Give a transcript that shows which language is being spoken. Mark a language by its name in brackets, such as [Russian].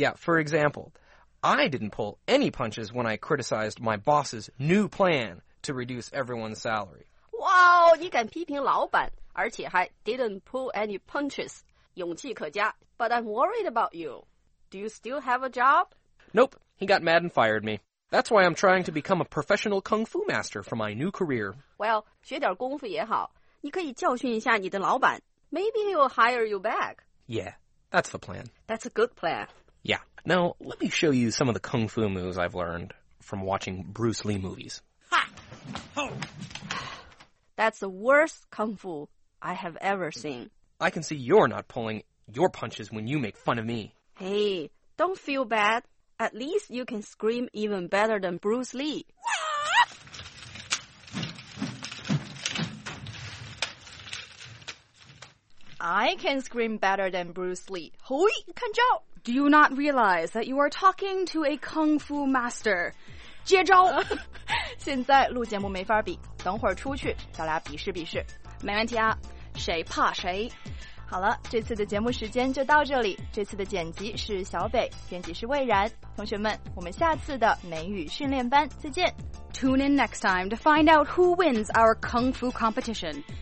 [English] Yeah, for example... I didn't pull any punches when I criticized my boss's new plan to reduce everyone's salary. Wow, 你敢批评老板，而且还 didn't pull any punches. 勇气可嘉。 But I'm worried about you. Do you still have a job? Nope, he got mad and fired me. That's why I'm trying to become a professional kung fu master for my new career. [Chinese] Well, 学点功夫也好，你可以教训一下你的老板。 [English] Maybe he'll hire you back. Yeah, that's the plan. That's a good plan. Yeah, now let me show you some of the kung fu moves I've learned from watching Bruce Lee movies. Ha! Ho! That's the worst kung fu I have ever seen. I can see you're not pulling your punches when you make fun of me. Hey, don't feel bad. At least you can scream even better than Bruce Lee. I can scream better than Bruce Lee. Hui, [Chinese] 看招！ [English] Do you not realize that you are talking to a kung fu master? [Chinese] 接招！现在录节目没法比，等会儿出去，咱俩比试比试。没问题啊，谁怕谁？好了，这次的节目时间就到这里。这次的剪辑是小北，编辑是魏然。同学们，我们下次的美语训练班再见。 [English] Tune in next time to find out who wins our kung fu competition.